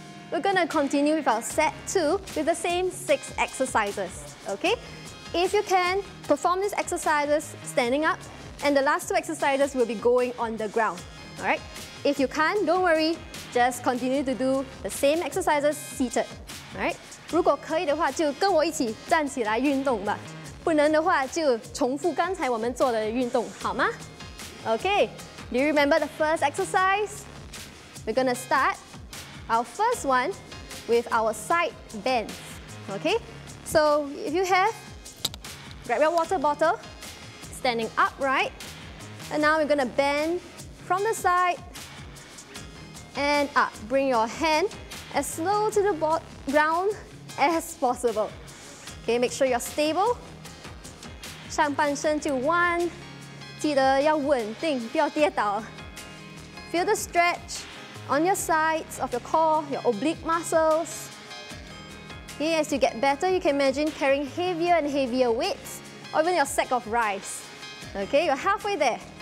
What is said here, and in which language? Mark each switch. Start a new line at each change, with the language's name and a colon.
English: We're gonna continue with our set two with the same six exercises, okay? If you can, perform these exercises standing up, and the last two exercises will be going on the ground, all right? If you can't, don't worry, just continue to do the same exercises seated, all right?
Chinese: 如果可以的话，就跟我一起站起来运动吧。不能的话，就重复刚才我们做的运动，好吗？
English: Okay. Do you remember the first exercise? We're gonna start our first one with our side bends, okay? So if you have, grab your water bottle, standing upright, and now we're gonna bend from the side and up. Bring your hand as slow to the ground as possible. Okay, make sure you're stable.
Chinese: 上半身就弯, 记得要稳定，不要跌倒。
English: Feel the stretch on your sides of your core, your oblique muscles. Okay, as you get better, you can imagine carrying heavier and heavier weights, or even your sack of rice. Okay, you're halfway there.